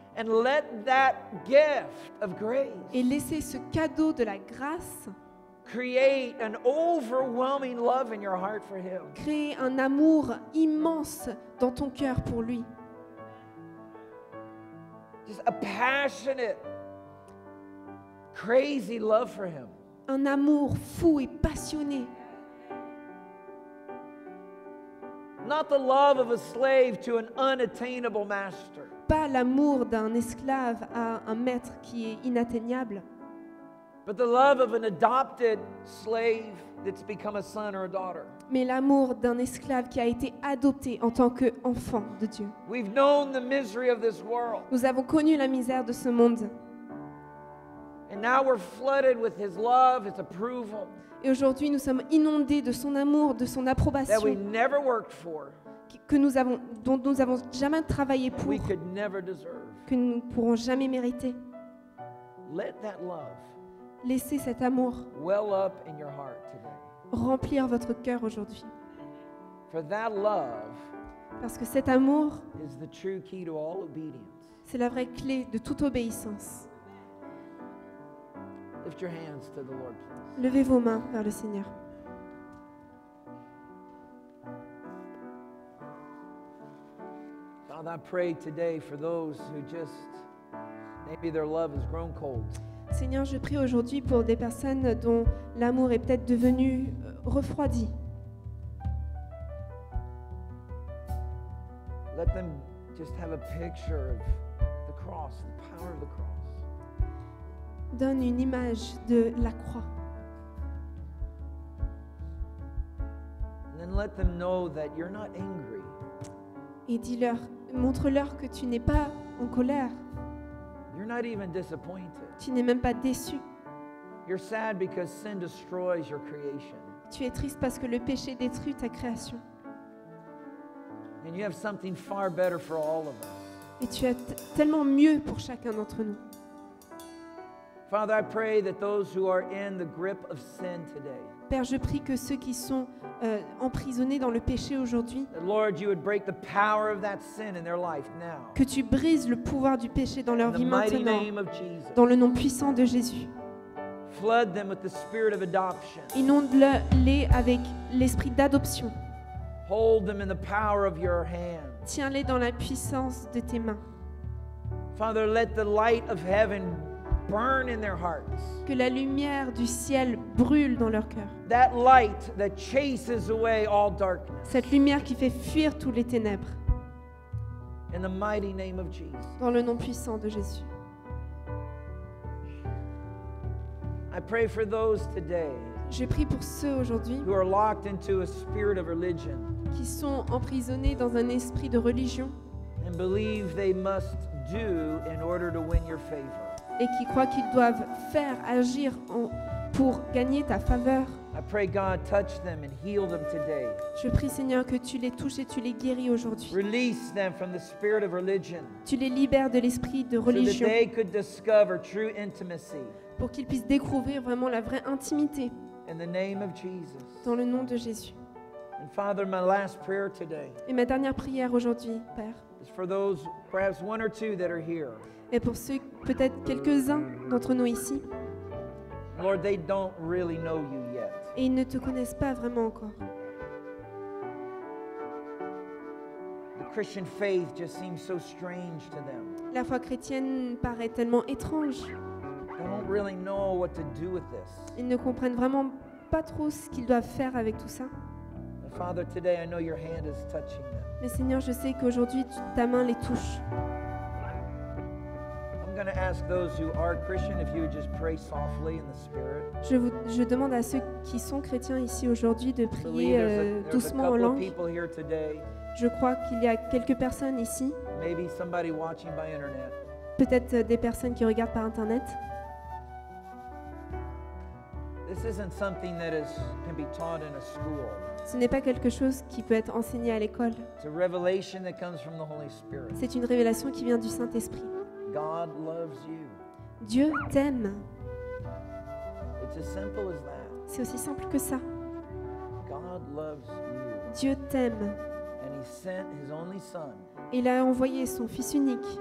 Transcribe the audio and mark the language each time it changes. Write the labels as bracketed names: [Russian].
[English] And let that gift of grace. [French] Et laissez ce cadeau de la grâce. [English] Create an overwhelming love in your heart for him. [French] Crée un amour immense dans ton cœur pour lui. [English] Just a passionate, crazy love for him. [French] Un amour fou et passionné. [English] not the love of a slave to an unattainable master. [French] Pas l'amour d'un esclave à un maître qui est inatteignable. [English] But the love of an adopted slave that's become a son or a daughter. [French] Mais l'amour d'un esclave qui a été adopté en tant que enfant de Dieu. [English] We've known the misery of this world. [French] Nous avons connu la misère de ce monde. [English] And now we're flooded with his love, his approval. [French] Et aujourd'hui, nous sommes inondés de son amour, de son approbation. [English] That we never worked for. [French] Que nous avons, dont nous avons jamais travaillé pour. [English] We could never deserve. [French] Que nous ne pourrons jamais mériter. [English] Let that love. [French] Laissez cet amour [English] well up in your heart today. [French] Remplir votre cœur aujourd'hui. [English] For that love. [French] Parce que cet amour. [English] Is the true key to all obedience. [French] C'est la vraie clé de toute obéissance. [English] Lift your hands to the Lord, please. [French] Levez vos mains vers le Seigneur. [English] Father, I pray today for those who just maybe their love has grown cold. [French] Seigneur, je prie aujourd'hui pour des personnes dont l'amour est peut-être devenu refroidi. [English] Let them just have a picture of the cross, the power of the cross. [French] Donne une image de la croix. [English] And then let them know that you're not angry. [French] Et dis-leur, montre-leur que tu n'es pas en colère. [English] You're not even disappointed. [French] Tu n'es même pas déçu. [English] You're sad because sin destroys your creation. [French] Tu es triste parce que le péché détruit ta création. [English] And you have something far better for all of us. [French] Et tu as tellement mieux pour chacun d'entre nous. [English] Father, I pray that those who are in the grip of sin today. [French] Père, je prie que ceux qui sont emprisonnés dans le péché aujourd'hui. [English] Lord, you would break the power of that sin in their life now. [French] Que tu brises le pouvoir du péché dans leur vie maintenant. [English] In the mighty name of Jesus. [French] Dans le nom puissant de Jésus. [English] Flood them with the spirit of adoption. [French] Inonde-les avec l'esprit d'adoption. [English] Hold them in the power of your hand. [French] Tiens-les dans la puissance de tes mains. [English] Father, let the light of heaven burn in their hearts. [French] Que la lumière du ciel brûle dans leur cœur. [English] That light that chases away all darkness. [French] Cette lumière qui fait fuir toutes les ténèbres. [English] In the mighty name of Jesus. [French] Dans le nom puissant de Jésus. [English] I pray for those today. [French] Je prie pour ceux aujourd'hui. [English] Who are locked into a spirit of religion. [French] Qui sont emprisonnés dans un esprit de religion. [English] And believe they must do in order to win your favor. [French] Et qui croient qu'ils doivent faire, agir en, pour gagner ta faveur. [English] I pray God, touch them and heal them today. [French] Je prie Seigneur que tu les touches et tu les guéris aujourd'hui. [English] Release them from the spirit of religion. [French] Tu les libères de l'esprit de religion. [English] So that they could discover true intimacy. [French] Pour qu'ils puissent découvrir vraiment la vraie intimité. [English] In the name of Jesus. [French] Dans le nom de Jésus. [English] And Father, my last prayer today. [French] Et ma dernière prière aujourd'hui, Père. [English] Is for those perhaps one or two that are here. [French] Et pour ceux, peut-être quelques-uns d'entre nous ici. [English] Lord, they don't really know you yet. [French] Et ils ne te connaissent pas vraiment encore. [English] The Christian faith just seems so strange to them. [French] La foi chrétienne paraît tellement étrange. [English] They don't really know what to do with this. [French] Ils ne comprennent vraiment pas trop ce qu'ils doivent faire avec tout ça. [English] Father, today I know your hand is touching them. [French] Mais Seigneur, je sais qu'aujourd'hui, ta main les touche. [English] Going to ask those who are Christian if you would just pray softly in the spirit. [French] Je demande à ceux qui sont chrétiens ici aujourd'hui de prier doucement en langue. Je crois qu'il y a quelques personnes ici. [English] Maybe somebody watching by internet. [French] Peut-être des personnes qui regardent par internet. [English] This isn't something that is can be taught in a school. [French] Ce n'est pas quelque chose qui peut être enseigné à l'école. [English] It's a revelation that comes from the Holy Spirit. [French] C'est une révélation qui vient du Saint-Esprit. [English] God loves you. [French] Dieu t'aime. [English] It's as simple as that. [French] C'est aussi simple que ça. [English] God loves you. [French] Dieu t'aime. [English] And he sent his only son. [French] Il a envoyé son fils unique.